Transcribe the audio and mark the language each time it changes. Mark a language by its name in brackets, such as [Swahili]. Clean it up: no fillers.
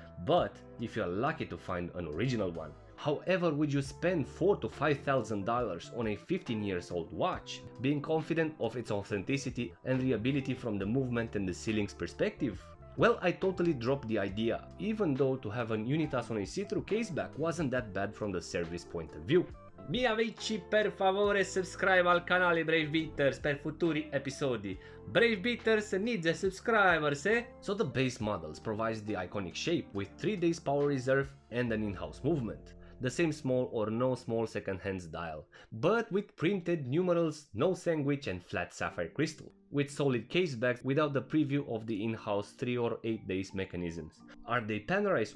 [English] But if you're lucky to find an original one. However, would you spend $4,000 to $5,000 on a 15 years old watch, being confident of its authenticity and reliability from the movement and the ceiling's perspective? Well, I totally dropped the idea, even though to have an Unitas on a see-through caseback wasn't that bad from the service point of view. [Italian] Mi amici, per favore, subscribe al canale Brave Beaters per futuri episodi. [English] Brave Beaters needs a subscribers, eh? So the base models provides the iconic shape with 3 days power reserve and an in-house movement. The same small or no small second-hand dial, but with printed numerals, no sandwich and flat sapphire crystal. With solid casebacks without the preview of the in-house 3 or 8 days mechanisms. Are they Panerais?